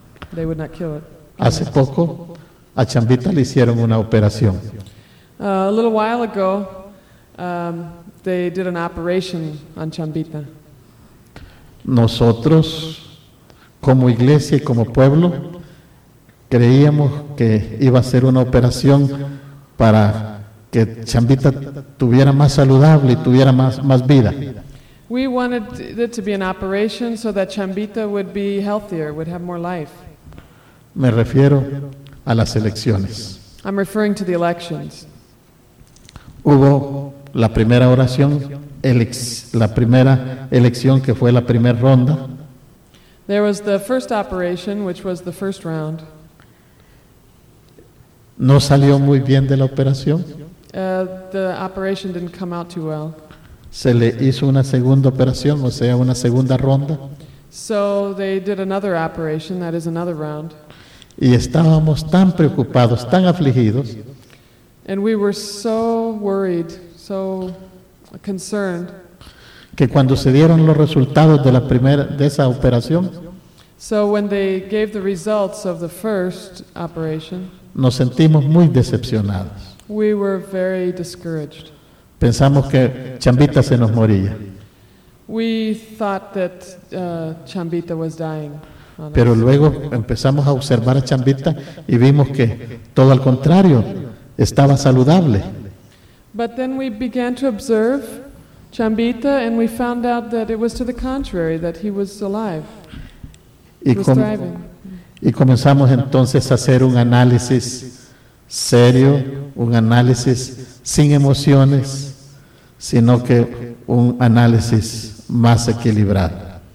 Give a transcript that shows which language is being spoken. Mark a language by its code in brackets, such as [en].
[en] They would not kill it. [es] Hace poco a Chambita le hicieron una operación. [en] A little while ago they did an operation on Chambita. [es] Nosotros como iglesia y como pueblo creíamos que iba a ser una operación para que Chambita tuviera más saludable y tuviera más vida. [en] We wanted it to be an operation so that Chambita would be healthier, would have more life. [es] Me refiero a las elecciones. [en] I'm referring to the elections. [es] Hubo la primera oración, la primera elección que fue la primera ronda. [en] There was the first operation, which was the first round. [es] No salió muy bien de la operación. [en] The operation didn't come out too well. [es] Se le hizo una segunda operación, o sea, una segunda ronda. [en] So they did another operation, that is another round. [es] Y estábamos tan preocupados, tan afligidos. [en] And we were so worried, so concerned. [es] Que cuando se dieron los resultados de la primera de esa operación, [en] so when they gave the results of the first operation, [es] nos sentimos muy decepcionados. [en] We were very discouraged. [es] Pensamos que Chambita se nos moría. [en] We thought that Chambita was dying. [es] Pero luego empezamos a observar a Chambita y vimos que todo al contrario, estaba saludable. [en] But then we began to observe Chambita and we found out that it was to the contrary, that he was alive. [es] Y comenzamos entonces a hacer un análisis serio, un análisis sin emociones, sino que un análisis más equilibrado.